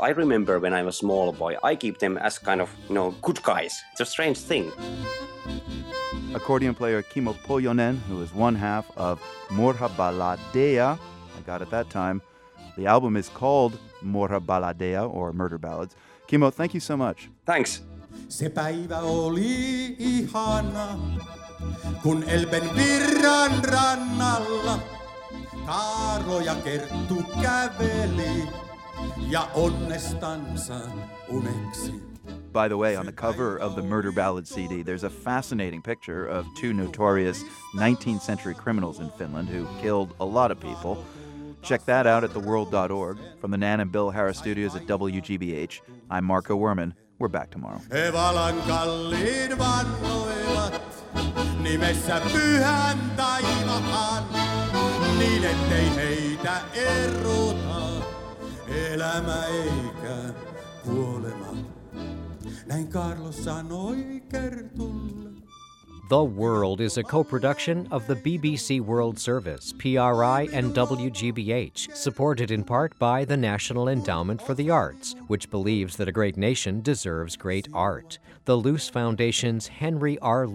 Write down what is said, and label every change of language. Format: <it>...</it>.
<en>I remember when I was a small boy, I keep them as kind of good guys. It's a strange thing. Accordion player Kimo Pojonen, who is one half of Murha Balladeja, I got it that time. The album is called Murha Balladeja, or Murder Ballads. Kimo, thank you so much. Thanks.</en> <fi>Se päivä oli ihana, kun Elben virran rannalla Kaaro ja Kerttu käveli ja onnestansa uneksi.</fi> <en>By the way, on the cover of the Murder Ballad CD, there's a fascinating picture of two notorious 19th century criminals in Finland who killed a lot of people. Check that out at theworld.org. From the Nan and Bill Harris Studios at WGBH, I'm Marco Werman. We're back tomorrow.</en> <fi>Evalan kalliin vannoivat, nimessä pyhän taivahan, niin ettei heitä erota, elämä eikä kuolema. Näin Carlos sanoi Kertulle.</fi> <en>The World is a co-production of the BBC World Service, PRI, and WGBH, supported in part by the National Endowment for the Arts, which believes that a great nation deserves great art, the Luce Foundation's Henry R.</en>